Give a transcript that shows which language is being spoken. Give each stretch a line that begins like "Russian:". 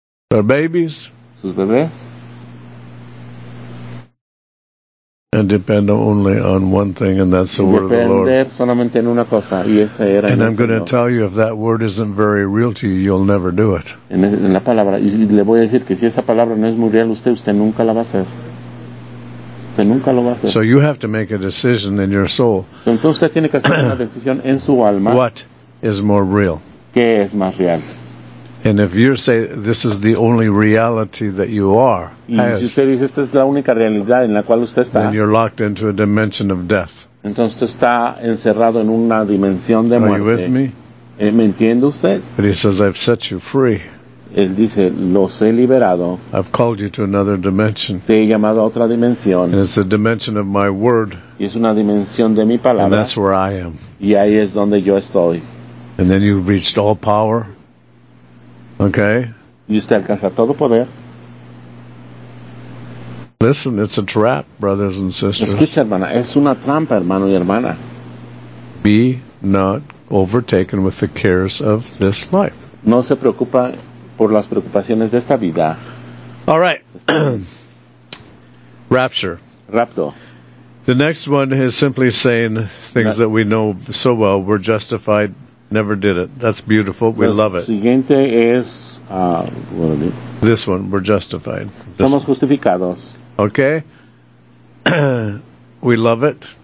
English: Their babies.
Spanish: Sus bebés.
English: And depend only on one thing, and that's the word of the Lord.
Spanish: Solamente en una cosa, y esa era
English: and I'm going to tell you, if that word isn't very real to you, you'll never do it.
Spanish: En la palabra, y le voy a decir que si esa palabra no es muy real usted nunca la va a hacer. Usted nunca lo va a hacer.
English: So you have to make a decision in your soul.
Spanish: Entonces usted tiene que hacer una decisión en su alma.
English: What is more real?
Spanish: ¿Qué es más real?
English: And if you say this is the only reality that you are,
Spanish: y si usted dice esta es la única realidad en la cual usted está,
English: then you're locked into a dimension of death.
Spanish: Entonces usted está encerrado en una dimensión de muerte.
English: Are you with me?
Spanish: ¿Me entiende usted?
English: But he says, I've set you free.
Spanish: Él dice, los he liberado.
English: I've called you to another dimension.
Spanish: Te he llamado a otra dimensión.
English: And it's the dimension of my word.
Spanish: Y es una dimensión de mi palabra.
English: And that's where I am.
Spanish: Y ahí es donde yo estoy.
English: And then you've reached all power. Okay.
Spanish: Y usted alcanza todo poder.
English: Listen, it's a trap, brothers and sisters.
Spanish: Escucha, hermana, es una trampa, hermano y hermana.
English: Be not overtaken with the cares of this life.
Spanish: No se preocupa por las preocupaciones de esta vida.
English: All right. Rapture.
Spanish: Rapto.
English: The next one is simply saying things that we know so well. We're justified. Never did it. That's beautiful. We love it.
Spanish: Siguiente es,
English: this one, we're justified.
Spanish: Somos justificados.
English: Okay. We love it.